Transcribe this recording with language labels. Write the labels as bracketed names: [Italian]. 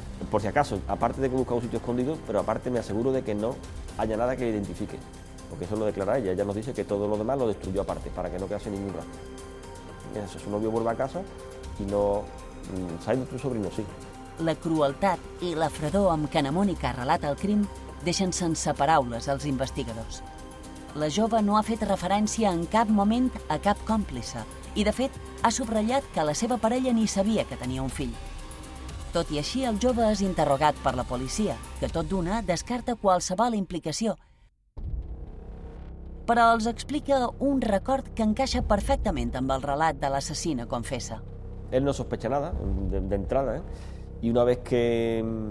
[Spanish] Por si acaso, aparte de que busca un sitio escondido, pero aparte me aseguro de que no haya nada que identifique. Porque eso lo declara ella. Ella nos dice que todo lo demás lo destruyó aparte, para que no quedase ningún rastro. Eso, su novio vuelve a casa y no... ¿Sabes de tu sobrino? Sí. [Catalan] La crueltat i la fredor amb què na Mònica relata el crim deixen sense paraules els investigadors. La jove no ha fet referència en cap moment a cap còmplice i, de fet, ha subratllat que la seva parella ni sabia que tenia un fill. Tot i així, el jove és interrogat per la policia, que tot d'una descarta qualsevol implicació, però els explica un record que encaixa perfectament amb el relat de l'assassina confessa. [Spanish] Ell no sospecha nada, d'entrada, ¿eh? Y una vez que...